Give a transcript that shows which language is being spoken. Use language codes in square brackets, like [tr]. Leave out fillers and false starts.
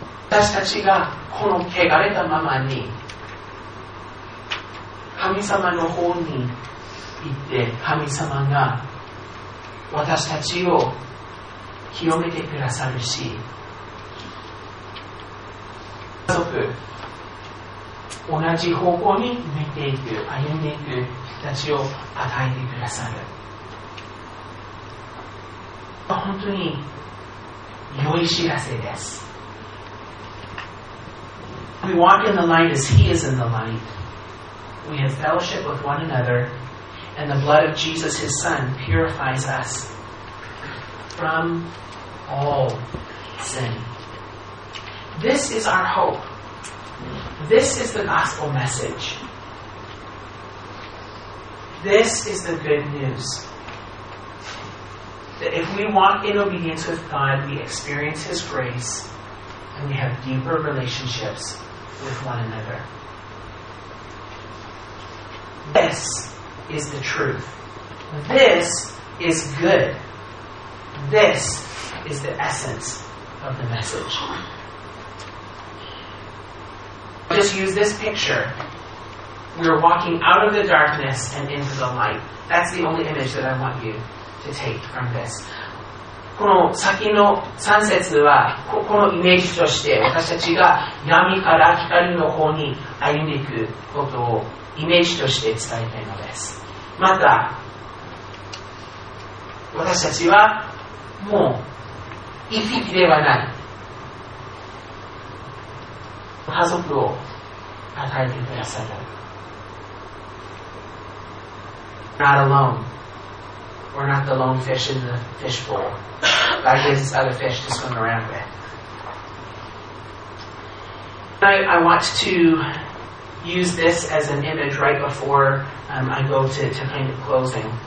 [ja] 私たちがこの汚れたままに、神様の方に行って、神様が私たちを清めてくださるし、家族、同じ方向に向いていく、歩んでいく人たちを与えてくださる。本当に良い知らせです。 [en] We walk in the light as He is in the light. We have fellowship with one another, and the blood of Jesus, his Son, purifies us from all sin. This is our hope. This is the gospel message. This is the good news. That if we walk in obedience with God, we experience his grace, and we have deeper relationships with one another. This is the truth. This is good. This is the essence of the message. Just use this picture. We're walking out of the darkness and into the light. That's the only image that I want you to take from this. [ja] この先の三節は、このイメージとして私たちが闇から光の方に歩んでいくことをイメージとして伝えたいのです。また、私たちはもう一匹ではない家族を与えてくださる。 [en] Not alone. We're not the lone fish in the fish bowl. God gives us other fish to swim around with. I want to. Use this as an image right before、I go to kind of closing.